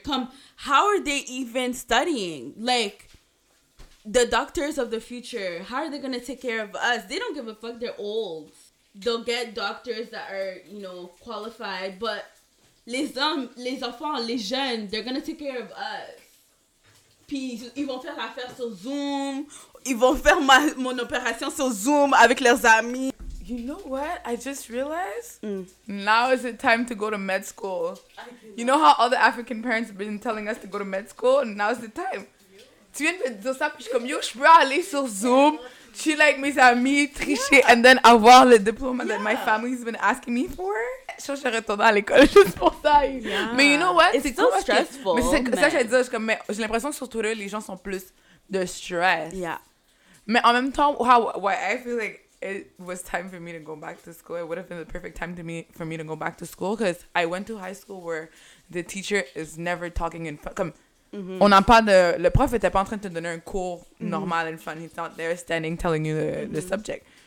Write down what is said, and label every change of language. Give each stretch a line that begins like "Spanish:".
English: Come, how are they even studying? Like, the doctors of the future, how are they going to take care of us? They don't give a fuck. They're old. They'll get doctors that are, you know, qualified, but
French: les hommes, les enfants, les jeunes,
English: they're gonna take care of us.
French: Puis ils vont faire l'affaire sur Zoom. Ils vont faire mon opération sur Zoom avec leurs amis.
English: You know what? I just realized. Now is it time to go to med school. You know how all the African parents have been telling us to go to med school? Now is the time.
French: Tu viens de dire ça, puis je suis comme, yo, je peux aller sur Zoom.
English: She like
French: mes amis tricher
English: and then
French: avoir le
English: diploma that my family's been asking me for.
French: So je retourne à l'école juste pour ça.
English: Yeah. But you know what? It's still so stressful.
French: Mais c'est ça que j'allais dire. Mais j'ai l'impression que sur Twitter les gens sont plus de stress.
English: Yeah.
French: Mais en même temps,
English: I feel like it was time for me to go back to school. It would have been the perfect time to me for me to go back to school because I went to high school where the teacher is never talking in front. Mm-hmm.
French: On n'a pas de... Le prof n'était pas en train de te donner un cours normal
English: and fun. He's not there standing telling you the subject.